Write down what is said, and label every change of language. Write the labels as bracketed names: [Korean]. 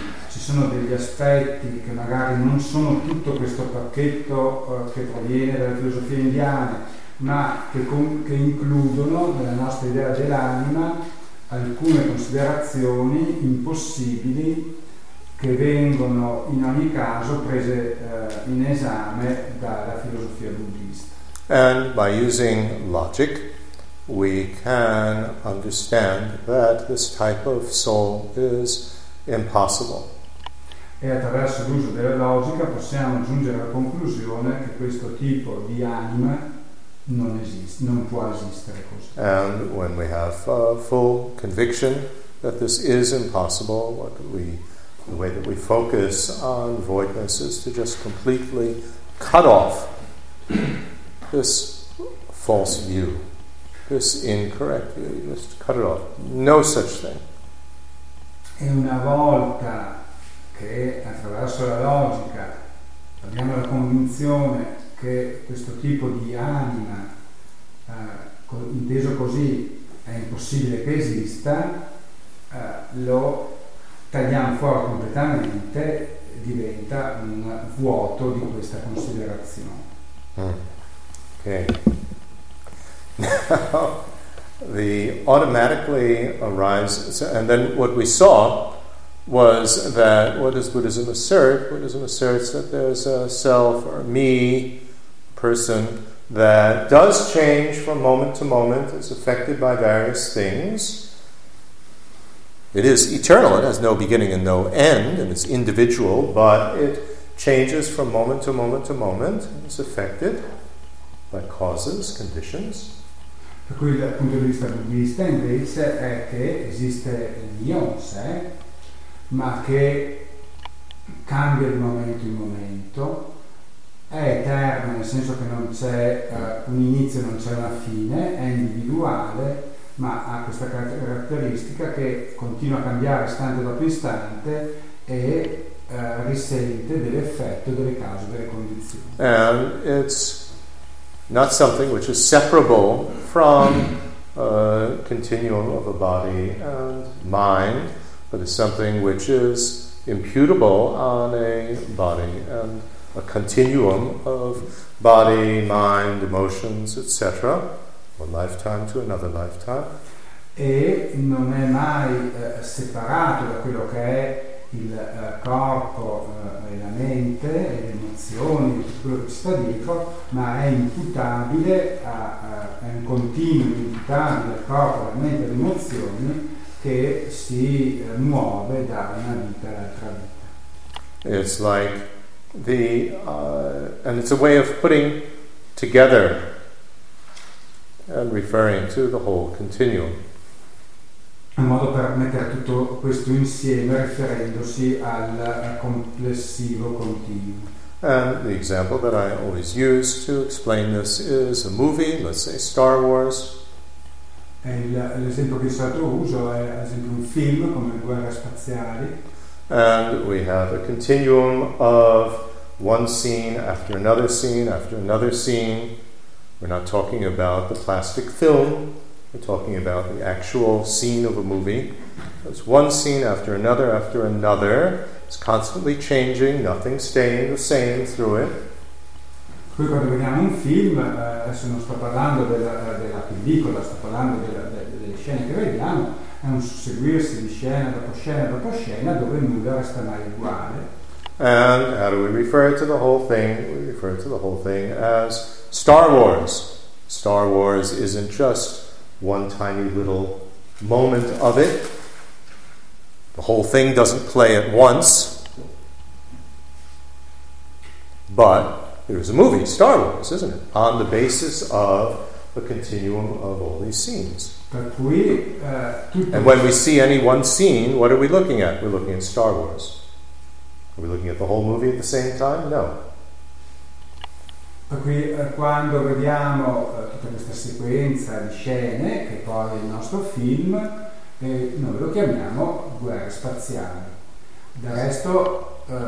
[Italian] ci sono degli aspetti che magari non sono tutto questo pacchetto che proviene dalla filosofia indiana, ma che includono nella nostra idea dell'anima alcune considerazioni impossibili che vengono in ogni caso prese in esame dalla filosofia buddista. [English] And by using logic we can understand that this type of soul is impossible. [Italian] E attraverso l'uso della logica possiamo giungere alla conclusione che questo tipo di anima non esiste, non può esistere così. [English] And when we have full conviction that this is impossible, the way that we focus on voidness is to just completely cut off this false view, this incorrect view, just cut it off. No such thing. [Italian] E una volta che attraverso la logica abbiamo la convinzione che questo tipo di anima, inteso così, è impossibile che esista, lo tagliamo fuori completamente, diventa un vuoto di questa considerazione. Ok. [English] Now, the automatically arise, and then what we saw was that, what does Buddhism assert? Buddhism asserts that there's a self or me, person, that does change from moment to moment, is affected by various things. It is eternal, it has no beginning and no end, and it's individual, but it changes from moment to moment to moment, it's affected by causes, conditions. [Italian] Per cui dal punto di vista buddista invece è che esiste l'io in sé, ma che cambia di momento in momento, è eterno nel senso che non c'è un inizio, non c'è una fine, è individuale, ma ha questa caratteristica che continua a cambiare istante dopo istante e risente dell'effetto, delle cause, delle condizioni. [English] And it's not something which is separable from a continuum of a body and mind, but it's something which is imputable on a body and a continuum of body, mind, emotions, etc., one lifetime to another lifetime. [Italian] E non è mai separato da quello che è il corpo e la mente e le emozioni, quello che ci sta dietro, ma è imputabile, è un continuo imputabile al corpo, alla mente e alle emozioni che si muove da una vita all'altra vita. [English] It's like the and it's a way of putting together and referring to the whole continuum. [Italian] Un modo per mettere tutto questo insieme riferendosi al complessivo continuo. [English] And the example that I always use to explain this is a movie, let's say Star Wars. [Italian] E l'esempio che solito uso è ad esempio un film come Guerre Spaziali. [English] And we have a continuum of one scene after another scene after another scene. We're not talking about the plastic film. We're talking about the actual scene of a movie. It's one scene after another, it's constantly changing, nothing staying the same through it. [Italian] Qui quando vediamo un film, adesso non sto parlando della pellicola, sto parlando delle scene che vediamo, è un susseguirsi di scena dopo scena dopo scena dove nulla resta mai uguale. [English] And how do we refer to the whole thing? We refer to the whole thing as Star Wars. Star Wars isn't just one tiny little moment of it. The whole thing doesn't play at once. But there is a movie, Star Wars, isn't it? On the basis of a continuum of all these scenes. And when we see any one scene, what are we looking at? We're looking at Star Wars. Are we looking at the whole movie at the same time? No. [Italian] Per cui quando vediamo tutta questa sequenza di scene che poi è il nostro film, noi lo chiamiamo guerre spaziali. Del resto